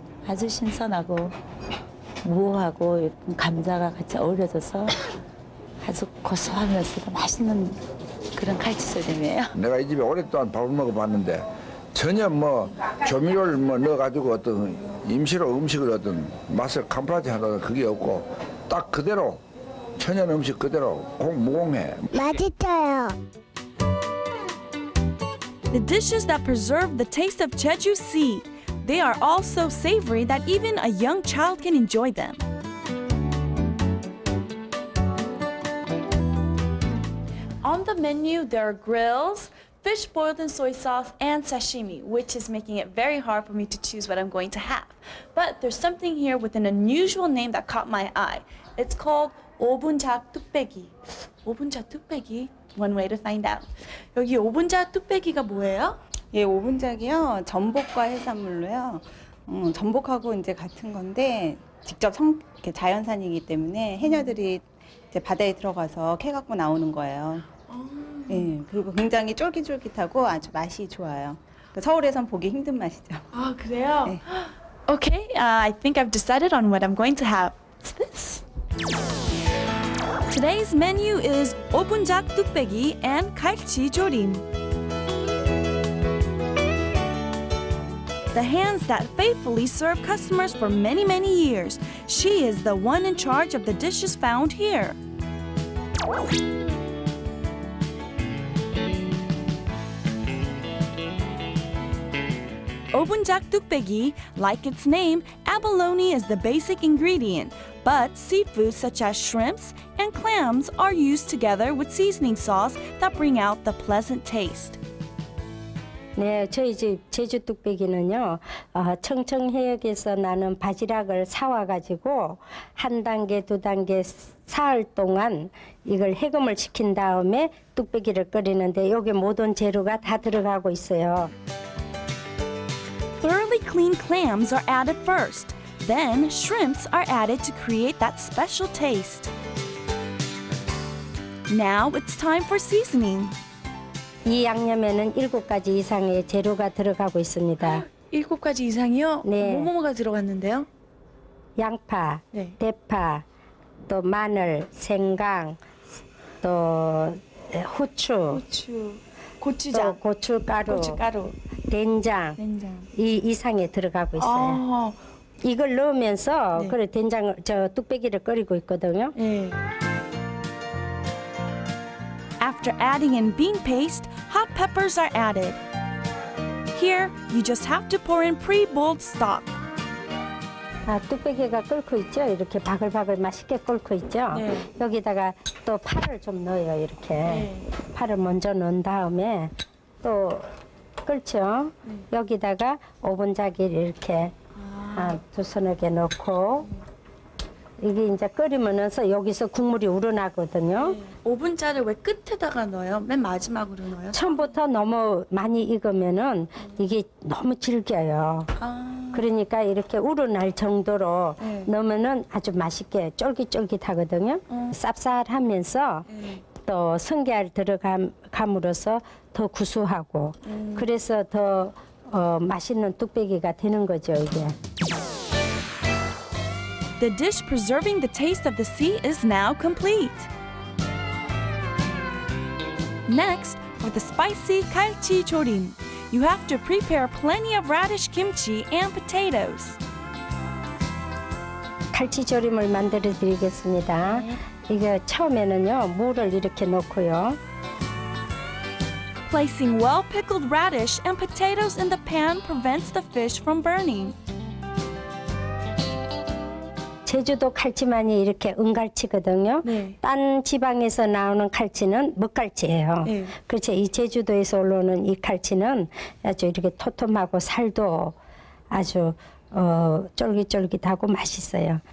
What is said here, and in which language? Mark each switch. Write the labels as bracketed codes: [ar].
[ko] 아주 신선하고 무하고 감자가 같이 어우러져서 아주 고소하면서도 맛있는 그런 칼치살림이에요. 내가 이 집에 오랫동안 밥을 먹어봤는데 전혀 뭐 조미료를 뭐 넣어가지고 어떤 임시로 음식을 얻은 맛을 감파하지 않아도 그게 없고 딱 그대로 천연 음식 그대로 공무공해. 맛있어요. [en] The dishes that preserve the taste of Jeju Sea. They are all so savory that even a young child can enjoy them. On the menu, there are grills, fish boiled in soy sauce, and sashimi, which is making it very hard for me to choose what I'm going to have. But there's something here with an unusual name that caught my eye. It's called 오분자 뚝배기. 오분자 뚝배기? One way to find out. [ko] 여기 오분자 뚝배기가 뭐예요? 예, 오분자기요. 전복과 해산물로요. 전복하고 이제 같은 건데 직접 이렇게 자연산이기 때문에 해녀들이 이제 바다에 들어가서 캐 갖고 나오는 거예요. 예, 그리고 굉장히 쫄깃쫄깃하고 아주 맛이 좋아요. 서울에선 보기 힘든 맛이죠. 아, 그래요? 예. [en] Okay, I think I've decided on what I'm going to have. It's this. Today's menu is 오분자 뚝배기 and 갈치 조림. The hands that faithfully serve customers for many, many years. She is the one in charge of the dishes found here. Obunjak dukbaegi, like its name, abalone is the basic ingredient, but seafood such as shrimps and clams are used together with seasoning sauce that bring out the pleasant taste. [ko] 네, 저희 집 제주 뚝배기는요, 청청 해역에서 나는 바지락을 사와가지고 한 단계, 두 단계, 사흘 동안 이걸 해금을 시킨 다음에 뚝배기를 끓이는데 여기 모든 재료가 다 들어가고 있어요. [en] Thoroughly clean clams are added first. Then shrimps are added to create that special taste. Now it's time for seasoning. [ko] 이 양념에는 7가지 이상의 재료가 들어가고 있습니다. 7가지 이상이요? 네. 뭐뭐가 들어갔는데요? 양파, 네. 대파, 또 마늘, 생강, 또 후추, 후추. 고추장, 또 고춧가루, 고춧가루. 된장, 된장. 이 이상에 들어가고 있어요. 아. 이걸 넣으면서 네. 그래 된장을 저 뚝배기를 끓이고 있거든요. 네. [en] After adding in bean paste, hot peppers are added. Here, you just have to pour in pre-boiled stock. [ko] 아, 뚝배기가 끓고 있죠? 이렇게 바글바글 맛있게 끓고 있죠? 네. 여기다가 또 파를 좀 넣어요, 이렇게. 네. 파를 먼저 넣은 다음에 또 끓죠? 네. 여기다가 오분자기를 이렇게 아. 두 손에게 넣고 이게 이제 끓이면서 여기서 국물이 우러나거든요. 네. 오분자를 왜 끝에다가 넣어요? 맨 마지막으로 넣어요? 처음부터 너무 많이 익으면은 이게 너무 질겨요. 아. 그러니까 이렇게 우러날 정도로 네. 넣으면은 아주 맛있게 쫄깃쫄깃하거든요. 쌉쌀하면서 네. 또 성게알 들어감으로써 더 구수하고 그래서 더 맛있는 뚝배기가 되는 거죠, 이게. [en] the dish preserving the taste of the sea is now complete. Next, for the spicy 갈치 조림, you have to prepare plenty of radish kimchi and potatoes. [ko] 갈치 조림을 만들어 드리겠습니다. 이게 처음에는요, 물을 이렇게 넣고요. [en] Placing well-pickled radish and potatoes in the pan prevents the fish from burning. [ko] 제주도 갈치만이 이렇게 은갈치거든요. 네. 딴 지방에서 나오는 갈치는 묵갈치예요. 네. 그렇죠. 이 제주도에서 올라오는 이 갈치는 아주 이렇게 토톰하고 살도 아주 쫄깃쫄깃하고 맛있어요.